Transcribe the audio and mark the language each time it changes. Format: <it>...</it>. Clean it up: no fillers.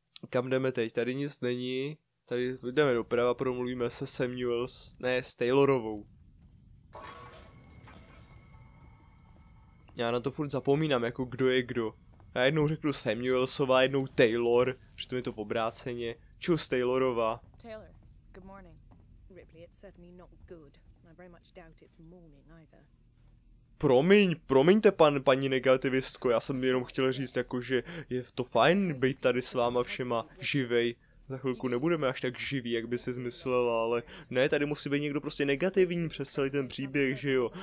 <cs>Kam jdeme teď, tady nic není, tady jdeme doprava, promluvíme se Samuels, ne, s Taylorovou. Já na to furt zapomínám, jako kdo je kdo. Já jednou řeknu Samuelsová, jednou Taylor, že to mi to v obráceně. Čus, Taylorová. Taylor,</cs> <en>good morning. Ripley, it's certainly not good. I very much doubt it's morning either.</en> <cs>Promiňte, paní negativistko, já jsem jenom chtěl říct, jako, že je to fajn být tady s váma všema živej. Za chvilku nebudeme až tak živí, jak by si zmyslela, ale ne, tady musí být někdo prostě negativní přes celý ten příběh, že jo.</cs>